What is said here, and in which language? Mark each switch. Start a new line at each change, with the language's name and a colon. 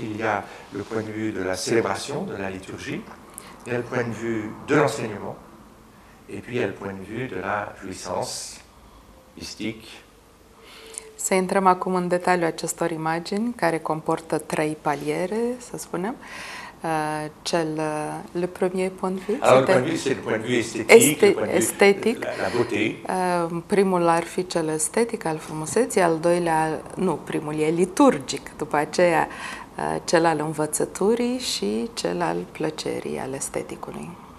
French: Il y a le point de vue de la célébration, de la liturgie, il y a le point de vue de l'enseignement, et puis il y a le point de vue de la jouissance mystique.
Romanian: Să intrăm acum în detaliu acestor imagini, care comportă trei paliere, să spunem.
French: Le premier point de vue, c'est le point de vue esthétique, la beauté.
Romanian: Primul ar fi cel estetic al frumuseții, al doilea, nu, primul e liturgic, după aceea cel al învățăturii și cel al plăcerii, al esteticului.